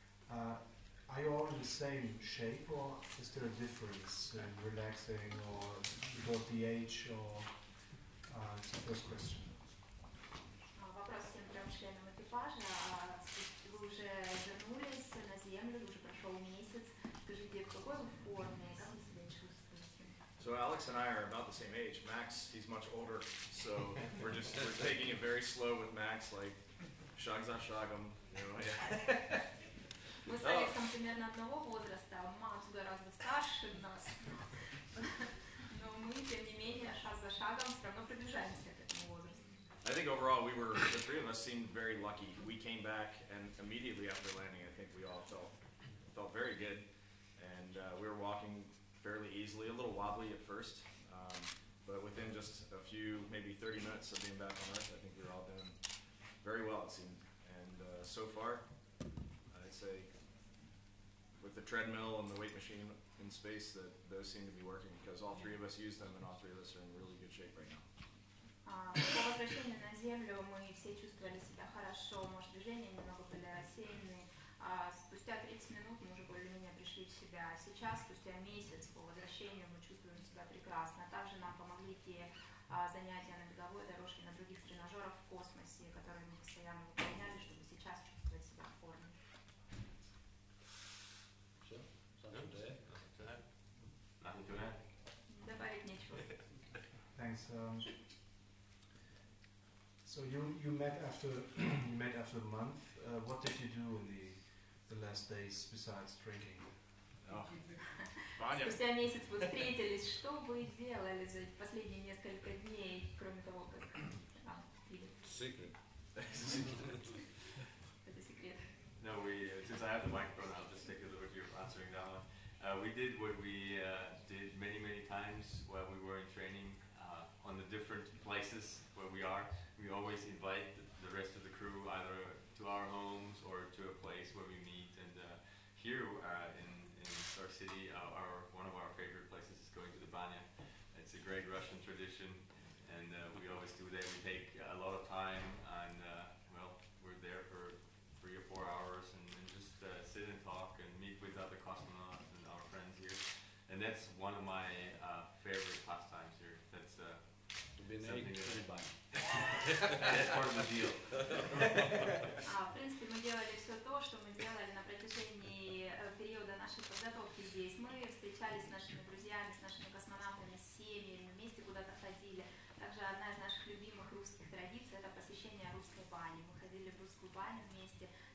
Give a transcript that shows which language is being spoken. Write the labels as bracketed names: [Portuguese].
[English] Are you all in the same shape, or is there a difference in relaxing, or about the age, or it's the first question. [Russian] Вопрос всем трем членам экипажа. Вы уже вернулись на Землю, уже прошел месяц. Скажите, в какой вы форме? Как вы себя чувствуете? [English] So Alex and I are about the same age. Max, he's much older, so we're taking it very slow with Max, like [Russian] shag za shagom. Мы с Алексом примерно одного возраста, Макс гораздо старше нас. Но мы, тем не менее, шаг за шагом все равно продвижаемся к этому возрасту. [English] I think overall the three of us seemed very lucky. We came back and immediately after landing, I think we all felt very good, and we were walking fairly easily, a little wobbly at first, but within just a few, maybe 30 minutes of being back on Earth, I think we were all doing very well, it seemed. And so far, I'd say, with the treadmill and the weight machine in space, that those seem to be working, because all three of us use them, and all three of us are in really good shape right now. [Russian] По возвращению на Землю мы все чувствовали себя хорошо, может, движения немного были рассеянные. Спустя 30 минут мы уже более-менее пришли в себя. Сейчас, спустя месяц по возвращению, мы чувствуем себя прекрасно. Также нам помогли те занятия на беговой дорожке, на других тренажерах в космосе, которые мы постоянно выполняли, чтобы сейчас чувствовать себя в форме. Все? Добавить нечего. [English] Thanks. So you met after a month. What did you do in the last days besides drinking? [Russian] Спустя месяц вы встретились. Что вы делали за последние несколько дней, кроме того, как Секрет. [English] No, since I have the microphone, I'll just take a little bit of answering that one. We did what we did many times while we were in training. On the different places where we are, we always invite the rest of the crew either to our homes or to a place where we meet. And here in Star City, one of our favorite places is going to the Banya. It's a great Russian tradition, and we always do that. We take a lot of time, and we're there for 3 or 4 hours and just sit and talk and meet with other cosmonauts and our friends here. And that's one of my favorite pastimes here. That's something that I'm buying. That's part of the deal. [Russian] В принципе, мы делали все то, что мы делали на протяжении периода нашей подготовки здесь. Мы встречались с нашими друзьями, с нашими космонавтами, с семьями, вместе куда-то ходили. Также одна из наших любимых русских традиций – это посещение русской бани. Мы вами вместе.